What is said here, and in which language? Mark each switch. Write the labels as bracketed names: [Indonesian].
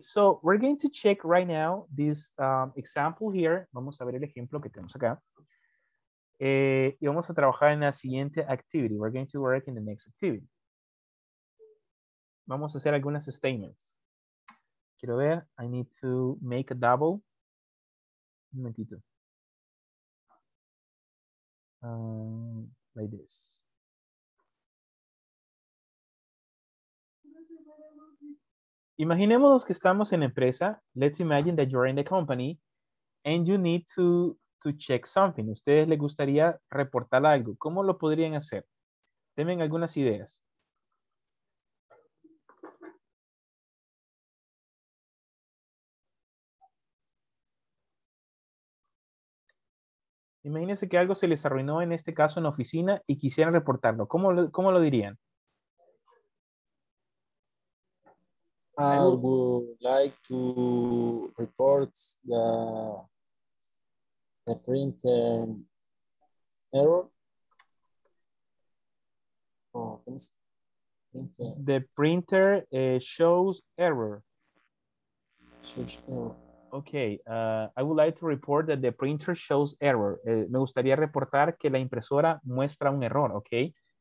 [English] So we're going to check right now this example here. [Spanish] Vamos a ver el ejemplo que tenemos acá. Y vamos a trabajar en la siguiente activity. [English] We're going to work in the next activity. [Spanish] Vamos a hacer algunas statements. Quiero ver. [English] I need to make a double. [Spanish] Un momentito. [English] Like this. [Spanish] Imaginémonos que estamos en empresa. [English] Let's imagine that you're in the company and you need to check something. [Spanish] Ustedes les gustaría reportar algo. ¿Cómo lo podrían hacer? Denme algunas ideas. Imagínense que algo se les arruinó en este caso en la oficina y quisieran reportarlo. ¿Cómo lo dirían? [English] I would like to report the print error. The printer shows error. Okay, I would like to report that the printer shows error. [Spanish] Me gustaría reportar que la impresora muestra un error, okay?